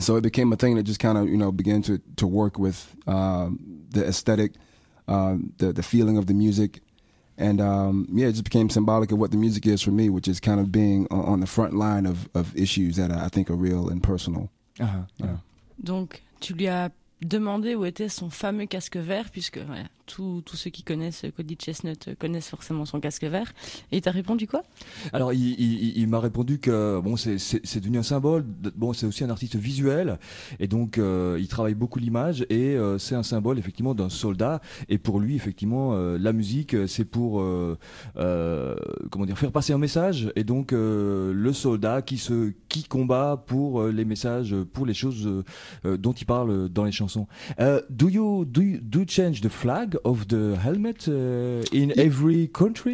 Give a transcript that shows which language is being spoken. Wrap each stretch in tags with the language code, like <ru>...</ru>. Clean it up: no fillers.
<en>So it became a thing that just kind of, you know, began to work with the aesthetic, the feeling of the music. And yeah, it just became symbolic of what the music is for me, which is kind of being on the front line of issues that I think are real and personal. Uh-huh. Yeah.</en> <fr>Donc, tu lui as demandé où était son fameux casque vert, puisque voilà, tous ceux qui connaissent Cody Chestnut connaissent forcément son casque vert. Et il t'a répondu quoi? Alors, il m'a répondu que bon, c'est devenu un symbole. Bon, c'est aussi un artiste visuel, et donc il travaille beaucoup l'image, et c'est un symbole effectivement d'un soldat. Et pour lui, effectivement, la musique, c'est pour comment dire, faire passer un message. Et donc le soldat qui combat pour les messages, pour les choses dont il parle dans les chansons.</fr> <en>Do you change the flag of the helmet in every country?</en>